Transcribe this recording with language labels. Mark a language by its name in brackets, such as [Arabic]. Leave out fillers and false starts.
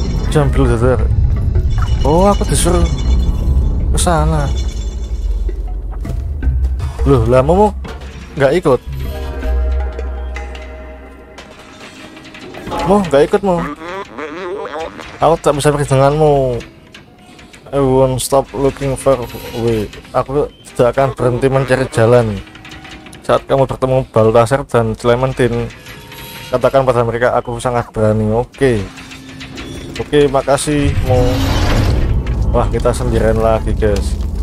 [Indonesian] Jangan dulu, dadar. Oh, aku disuruh ke sana. Loh, lah Momo enggak ikut. Mo, enggak ikut, Mo. Aku tak bisa pergi denganmu. [English] I won't stop looking for way. [Indonesian] Aku tidak akan berhenti mencari jalan. Saat kamu bertemu Baltasar dan Clementine, katakan pada mereka aku sangat berani. Oke. Oke, makasih, Mo. Wah, kita sendirian lagi, guys.